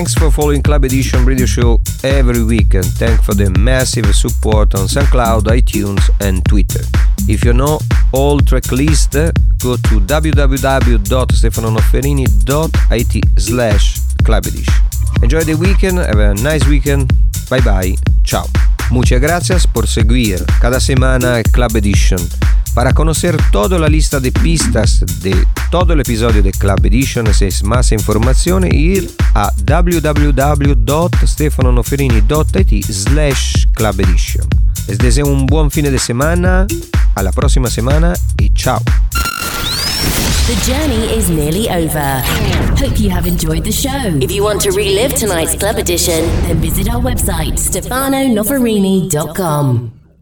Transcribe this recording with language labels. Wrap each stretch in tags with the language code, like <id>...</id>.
<en>following Club Edition radio show every week, and thanks for the massive support on SoundCloud, iTunes and Twitter. If you know all track list, go to www.stefanonofferini.it/clubedition. Enjoy the weekend, have a nice weekend, bye bye, ciao.</en> <es>Muchas gracias por seguir cada semana Club Edition. Para conocer toda la lista de pistas de todo el episodio de Club Edition, si es más información, ir a www.stefanonofferini.it/clubedition. Les deseo un buen fin de semana, a la próxima semana y chao.</es> <en>The journey is nearly over. Hope you have enjoyed the show. If you want to relive tonight's Club Edition, then visit our website, stefanonofferini.com.</en>